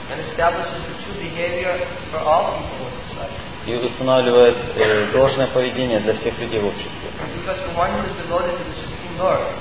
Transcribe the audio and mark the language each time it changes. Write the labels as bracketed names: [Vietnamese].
[English] And establishes the true behavior for all people in society. [Russian] И устанавливает должное поведение для всех людей в обществе. [English] Because the one who is devoted to the Supreme Lord.